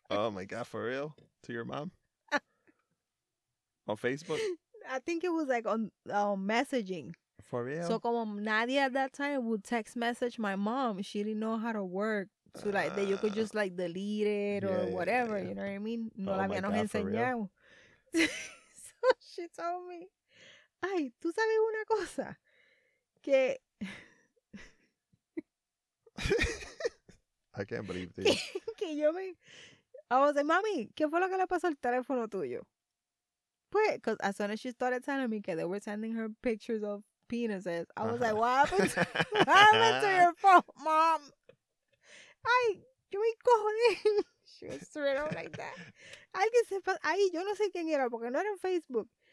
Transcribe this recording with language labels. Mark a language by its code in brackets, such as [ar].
[en] Oh my God, for real? To your mom? On Facebook? I think it was like on messaging. For real? So, [es] como nadie [en] at that time would text message my mom, she didn't know how to work. So, like, that you could just, like, delete it or whatever. Yeah. You know what I mean? [es] No, oh, la habían enseñado. [en] So, she told me, [es] ay, tú sabes una cosa? Que... [en] I can't believe this. [es] Que yo me... [en] I was like, [es] mami, ¿qué fue lo que le pasó al teléfono tuyo? [en] Pues, because as soon as she started telling me que they were sending her pictures of penises. I was like, what happened to your phone, mom? [es] Ay, yo me cojone. [en] She was straight up like that. [es] Alguien se pasó. Ay, yo no sé quién era, porque no era en Facebook.